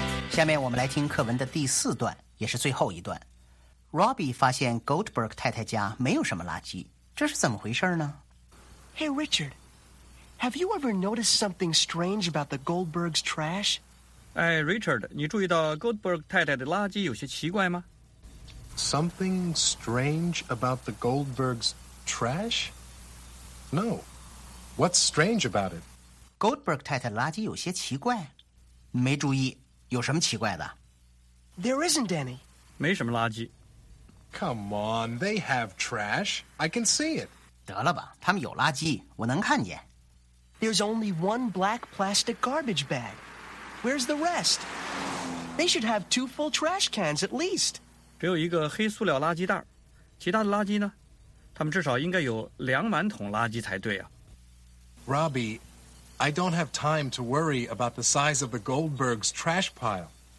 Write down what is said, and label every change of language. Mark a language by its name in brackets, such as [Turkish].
[Chinese] 下面我们来听课文的第四段，也是最后一段。Robbie 发现 Goldberg 太太家没有什么垃圾，这是怎么回事呢？ [English] Hey Richard, have you ever noticed something strange about the Goldberg's trash? [Chinese] 哎 Richard, 你注意到 Goldberg 太太的垃圾有些奇怪吗？ [English] Something strange about the Goldberg's trash? No, what's strange about it? [Chinese] Goldberg 太太的垃圾有些奇怪，没注意，有什么奇怪的？ [English] There isn't any. [Chinese] 没什么垃圾。 [English] Come on, they have trash. I can see it. [Chinese] 得了吧，他们有垃圾，我能看见。 [English] There's only one black plastic garbage bag. Where's the rest? They should have two full trash cans at least. [Chinese] 只有一个黑塑料垃圾袋，其他的垃圾呢？他们至少应该有两满桶垃圾才对啊。 [English] Robbie,I don't have time to worry about the size of the Goldberg's trash pile.